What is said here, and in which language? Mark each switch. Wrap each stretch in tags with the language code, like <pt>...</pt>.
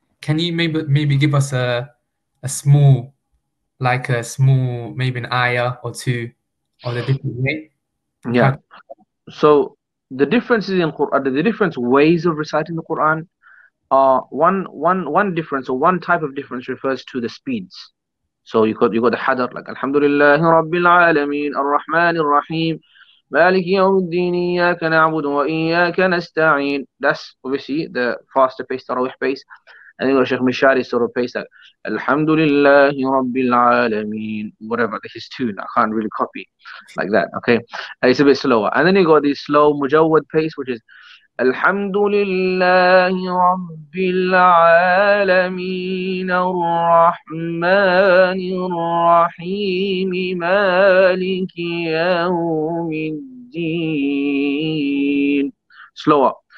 <en>Can you maybe give us a small maybe an ayah or two of the different way? Yeah. So the differences in Quran, the different ways of reciting the Quran, are one difference, or one type of difference, refers to the speeds. So you got the hadr, like</en> <ar>Alhamdulillah Rabbil Alameen, Ar-Rahman Ar-Rahim, مالك يوم الدين إياك نعبد وإياك نستعين.</ar> <en>That's obviously the faster pace, تراويح pace. And then Sheikh Mishari sort of pace that</en> <ar>الحمد لله رب العالمين.</ar> <en>Whatever, this is tune. I can't really copy like that. Okay. It's a bit slower. And then you got this slow mujawad pace, which is</en> <ar>الحمد لله رب العالمين الرحمن الرحيم مالك يوم الدين.</ar> <en>Slower.</en>